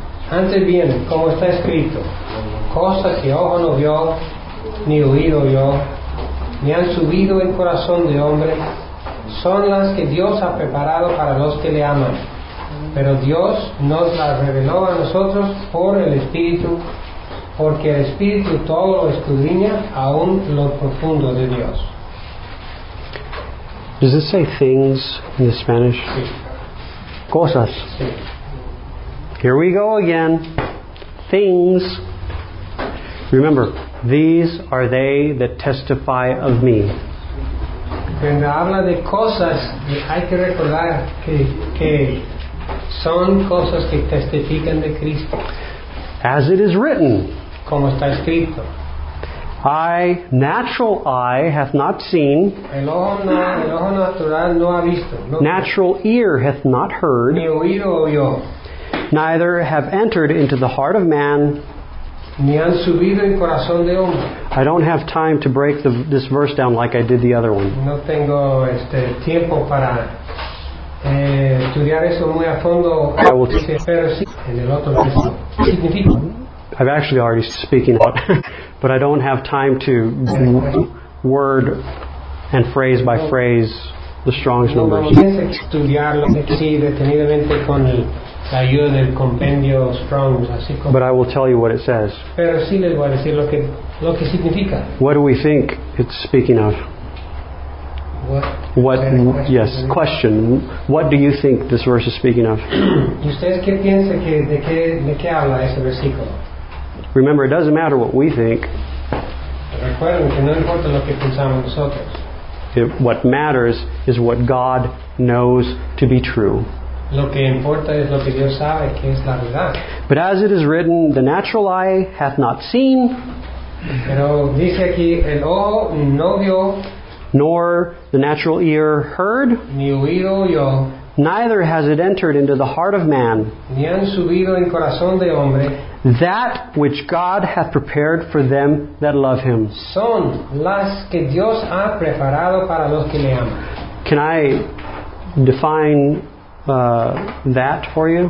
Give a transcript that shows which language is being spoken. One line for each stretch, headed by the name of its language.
Spanish: Antes bien, como está escrito, cosas que ojo no vio, ni oído vio, ni han subido en corazón de hombre, son las que Dios ha preparado para los que le aman. Pero Dios nos las reveló a nosotros por el Espíritu, porque el Espíritu todo lo escudriña, aún lo profundo de Dios.
English: Does it say things in the Spanish?
Spanish: Sí. Cosas. Sí.
English: Here we go again. Things. Remember, these are they that testify of me.
Spanish: Cuando habla de cosas, hay que recordar que son cosas que testifican de Cristo.
English: As it is written.
Spanish: Como está escrito.
English: Natural eye hath not seen.
Spanish: El ojo natural no ha visto. No.
English: Natural ear hath not heard.
Spanish: Ni oído oyó.
English: Neither have entered into the heart of man.
Spanish: Ni han subido en corazón de hombre.
English: I don't have time to break this verse down like I did the other one.
Spanish: No tengo tiempo para estudiar eso muy a fondo.
English: I will
Spanish: pero sí, en el otro significa.
English: I've actually already speaking about, but I don't have time to word and phrase by phrase the Strong's numbers.
Spanish: No vamos a estudiarlo así detenidamente con la ayuda del compendio Strong's, así como.
English: But I will tell you what it says.
Spanish: Pero sí les voy a decir lo que significa.
English: What do we think it's speaking of? What question, yes, question. What do you think this verse is speaking of?
Spanish: ¿Ustedes qué piensan que de qué habla ese versículo?
English: Remember, it doesn't matter what we think.
Spanish: recuerden que no importa lo que pensamos nosotros.
English: What matters is what God knows to be true.
Spanish: Lo que importa es lo que Dios sabe que es la verdad.
English: But as it is written, the natural eye hath not seen.
Spanish: Pero dice aquí, el ojo no vio.
English: Nor the natural ear heard.
Spanish: Ni oído yo.
English: Neither has it entered into the heart of man.
Spanish: Ni han subido en corazón de hombre.
English: That which God hath prepared for them that love Him.
Spanish: Son las que Dios ha preparado para los que le aman.
English: Can I define that for you?